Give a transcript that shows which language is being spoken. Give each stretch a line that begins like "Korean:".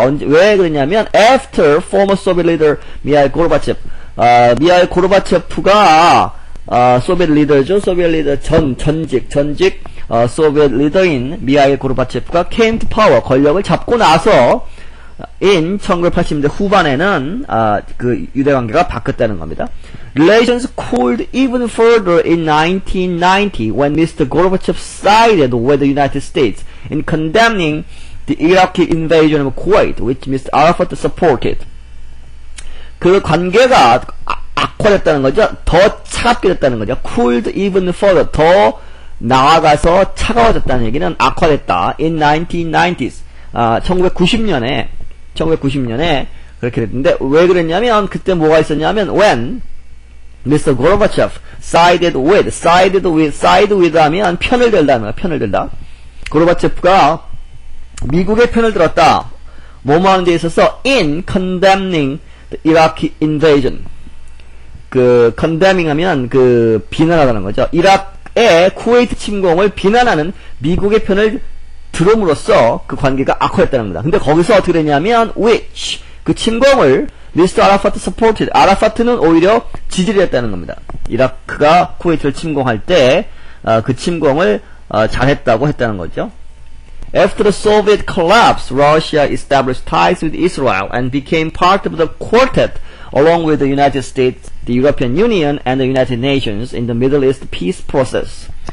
Korean: 언제 왜 그러냐면
English: after former Soviet leader Mikhail Gorbachev,
Korean: Mikhail Gorbachev가 Soviet leader죠, Soviet leader 전직 Soviet leader인 미하일 고르바체프가
English: came to power,
Korean: 권력을 잡고 나서 in 1980년대 후반에는 그 유대관계가 바뀌었다는 겁니다.
English: Relations cooled even further in 1990 when Mr. Gorbachev sided with the United States in condemning the Iraqi invasion of Kuwait, which Mr. Arafat supported.
Korean: 그 관계가 악화됐다는 거죠. 더 차갑게 됐다는 거죠.
English: Cooled even further,
Korean: 더 나아가서 차가워졌다는 얘기는 악화됐다.
English: In 1990s,
Korean: 1990년에 그렇게 됐는데 왜 그랬냐면 그때 뭐가 있었냐면
English: when Mr. Gorbachev sided with
Korean: 하면 편을 들다는 거야. 편을 들다. Gorbachev가 미국의 편을 들었다. 뭐뭐하는 데 있어서
English: in condemning the Iraqi invasion.
Korean: 그 condemning 하면 그 비난하다는 거죠. 이라크의 쿠웨이트 침공을 비난하는 미국의 편을 들음으로써 그 관계가 악화했다는 겁니다. 근데 거기서 어떻게 되냐면 which 그 침공을
English: Mr. Arafat supported.
Korean: Arafat는 오히려 지지를 했다는 겁니다. 이라크가 쿠웨이트를 침공할 때 그 침공을 잘했다고 했다는 거죠.
English: After the Soviet collapse, Russia established ties with Israel and became part of the quartet along with the United States, the European Union, and the United Nations in the Middle East peace process.